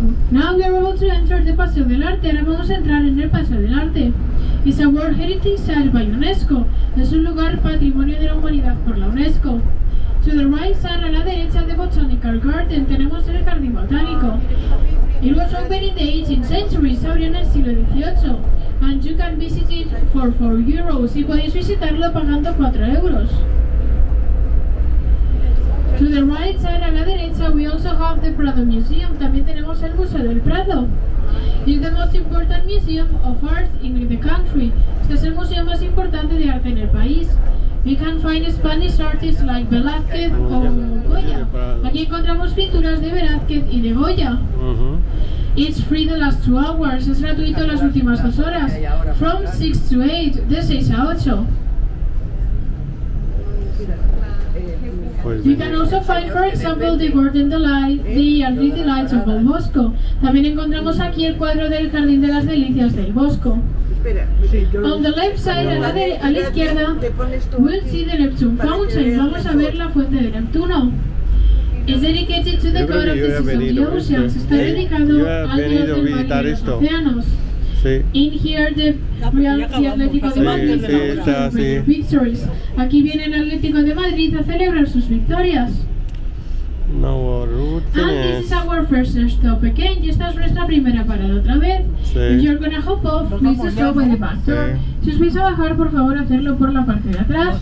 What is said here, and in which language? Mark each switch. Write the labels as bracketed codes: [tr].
[en] Now we are able to enter the Paseo del Arte. [es] Ahora vamos a entrar en el Paseo del Arte. [en] It's a World Heritage Site by UNESCO. [es] Es un lugar patrimonio de la humanidad por la UNESCO. [en] To the right side, [es] a la derecha, [en] the Botanical Garden, [es] tenemos el Jardín Botánico. [en] It was opened in the 18th century, [es] se abrió en el siglo XVIII. [en] And you can visit it for 4 euros. [es] Y podéis visitarlo pagando 4 euros. [en] To the right side, [es] a la derecha, [en] we also have the Prado Museum. [es] También tenemos el Museo del Prado. [en] It's the most important museum of art in the country. [es] Este es el museo más importante de arte en el país. [en] We can find Spanish artists like Velázquez o Goya. [es] Aquí encontramos pinturas de Velázquez y de Goya. [en] It's free the last 2 hours. [es] Es gratuito las últimas 2 horas. [en] From 6 to 8, [es] de 6 a 8. [en] You can also find, for example, the Garden Delight, the Jardin de Delights of El Bosco. [es] También encontramos aquí el cuadro del Jardín de las Delicias del Bosco. [en] On the left side, [es] a la izquierda, [en] we'll see the Neptune Fountain. [es] Vamos a ver la Fuente de Neptuno. [en] It's dedicated to the god of the seas and the oceans. [es] Está dedicado al dios del mar y los océanos. Sí. [en] In here the Real Atlético de Madrid victories. [es] Aquí viene el Atlético de Madrid a celebrar sus victorias. [en] No, and this is our first stop again. [es] Y esta es nuestra primera parada otra vez. Sí. [en] If you're gonna hop off, please stop by the bathroom. [es] Sí. Si os vais a bajar, por favor, hacerlo por la parte de atrás.